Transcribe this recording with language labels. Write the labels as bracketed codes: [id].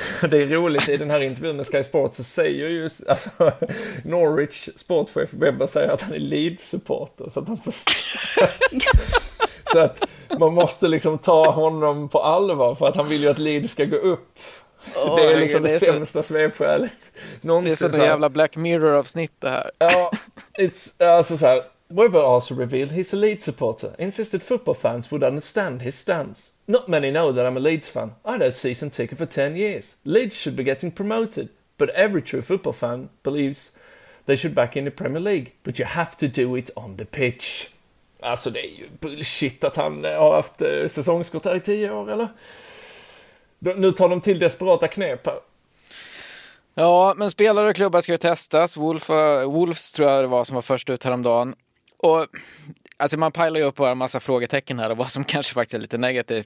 [sv] Det är roligt, i den här intervjun med Sky Sports så säger ju, alltså, Norwich sportchef Webber säger att han är Leeds-supporter, så att han så att man måste liksom ta honom på allvar, för att han vill ju att Leeds ska gå upp. Oh, det är liksom det, är det sämsta svepskälet någonsin. Det är så en jävla Black Mirror-avsnitt det här. [en] Ja, it's, [sv] alltså såhär, [en] Webber also revealed he's a Leeds supporter. Insisted football fans would understand his stance. Not many know that I'm a Leeds fan. I had a season ticket for 10 years. Leeds should be getting promoted. But every true football fan believes they should back in the Premier League. But you have to do it on the pitch. [sv] Alltså det är ju bullshit att han har haft säsongskort här i 10 år, eller? Nu tar de till desperata knep här. Ja, men spelare och klubbar ska ju testas. Wolves tror jag det var som var först ut häromdagen. Och alltså man pajlar ju upp en massa frågetecken här och vad som kanske faktiskt är lite negativt.